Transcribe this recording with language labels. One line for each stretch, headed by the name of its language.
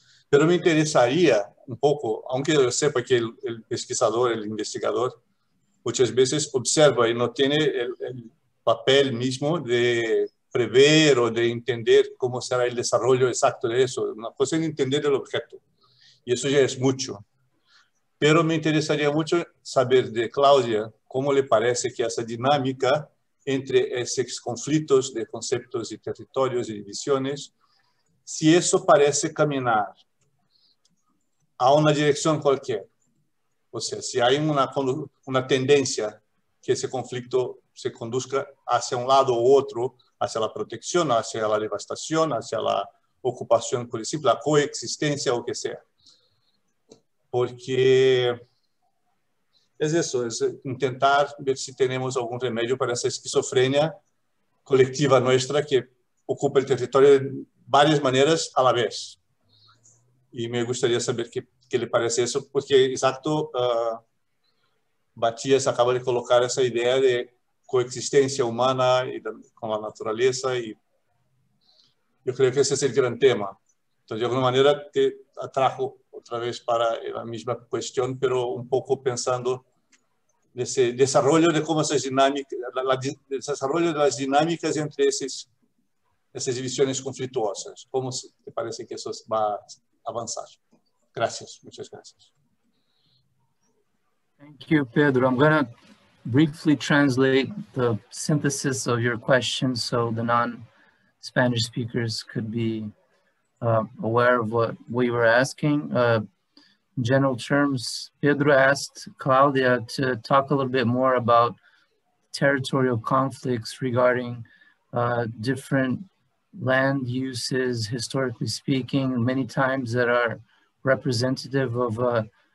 Portuguese: Mas me interessaria um pouco,
Spanish: aunque
Portuguese: eu sepa que o pesquisador, o investigador, muitas vezes observa e não tem o papel mesmo de prever ou de entender como será o desenvolvimento exato disso, uma coisa é entender o objeto. E isso já é muito.
Spanish: Pero me interessaría mucho saber de Claudia cómo le parece que esa dinámica entre esos conflictos de conceptos y territorios y divisiones, si eso parece caminar a una dirección cualquier, o sea, si hay una tendencia que ese conflicto se conduzca hacia un lado u otro, hacia la protección, hacia la devastación, hacia la ocupación, por ejemplo, la coexistencia o que sea.
Portuguese: Porque é isso, é tentar ver se temos algum remédio para essa esquizofrenia coletiva nossa que ocupa o território de várias maneiras à vez. E me gostaria de saber que lhe parece isso, porque, exato, Batias acaba de colocar essa ideia de coexistência humana e com a natureza, e eu creio que esse é o grande tema. Então, de alguma maneira, te atrajo outra vez para a mesma questão, mas um pouco pensando nesse desenvolvimento de como essas dinâmicas, o desenvolvimento das dinâmicas entre essas divisões conflituosas, como te parece que isso vai avançar?
Spanish: Gracias, muchas gracias.
English: Thank you, Pedro. I'm going to briefly translate the synthesis of your question so the non-Spanish speakers could be aware of what we were asking. In general terms, Pedro asked Claudia to talk a little bit more about territorial conflicts regarding different land uses, historically speaking, many times that are representative of a